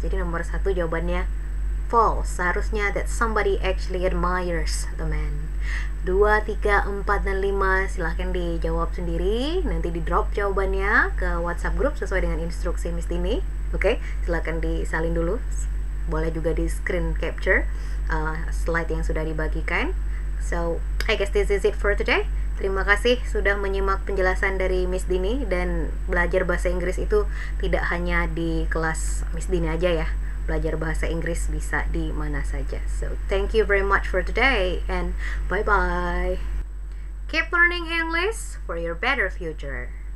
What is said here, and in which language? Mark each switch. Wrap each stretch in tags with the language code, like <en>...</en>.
<id>Jadi nomor satu jawabannya false. Seharusnya</id> <en>that somebody actually admires the man.</en> <id>2, 3, 4, dan 5 silahkan dijawab sendiri. Nanti di drop jawabannya ke WhatsApp group sesuai dengan instruksi Miss Tini. Oke, silahkan disalin dulu. Boleh juga di screen capture slide yang sudah dibagikan.</id> <en>So, I guess this is it for today.</en> <id>Terima kasih sudah menyimak penjelasan dari Miss Dini, dan belajar bahasa Inggris itu tidak hanya di kelas Miss Dini aja ya. Belajar bahasa Inggris bisa di mana saja.</id> <en>So, thank you very much for today and bye-bye. Keep learning English for your better future.</en>